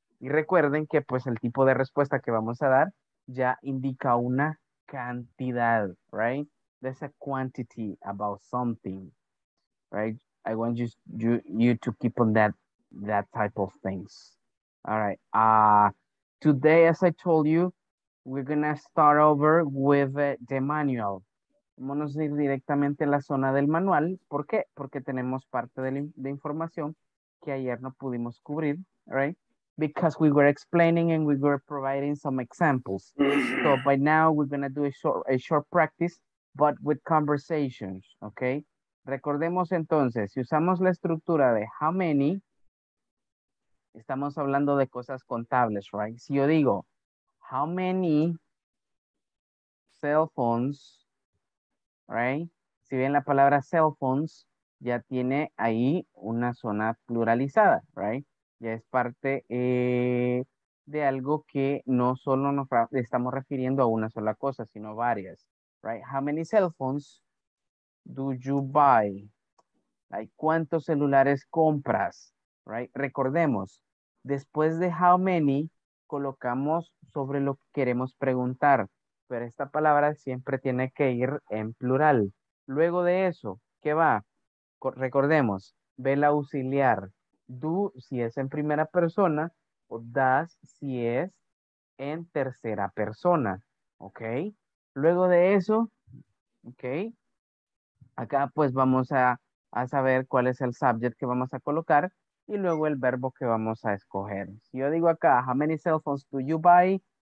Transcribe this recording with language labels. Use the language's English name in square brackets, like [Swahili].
[Spanish] Y recuerden que pues el tipo de respuesta que vamos a dar ya indica una cantidad, right? [English] There's a quantity about something, right? I want you to keep on that type of things. All right. Today, as I told you, we're going to start over with the manual. [Spanish] Vamos a ir directamente a la zona del manual. ¿Por qué? Porque tenemos parte de información que ayer no pudimos cubrir, right? [English] Because we were explaining and we were providing some examples. So by now, we're going to do a short practice, but with conversations, okay? [Spanish] Recordemos entonces, si usamos la estructura de how many, estamos hablando de cosas contables, right? Si yo digo, [English] how many cell phones, right? [Spanish] Si ven la palabra cell phones, ya tiene ahí una zona pluralizada, right? Ya es parte de algo que no solo nos estamos refiriendo a una sola cosa, sino varias, right? [English] How many cell phones do you buy? Like, [Spanish] ¿cuántos celulares compras? Right? Recordemos, después de how many, colocamos sobre lo que queremos preguntar, pero esta palabra siempre tiene que ir en plural. Luego de eso, ¿qué va? Recordemos, ve el auxiliar, do si es en primera persona, o does si es en tercera persona, ¿ok? Luego de eso, ¿ok? Acá pues vamos a saber cuál es el subject que vamos a colocar y luego el verbo que vamos a escoger. Si yo digo acá, [English] how many cell phones do you buy?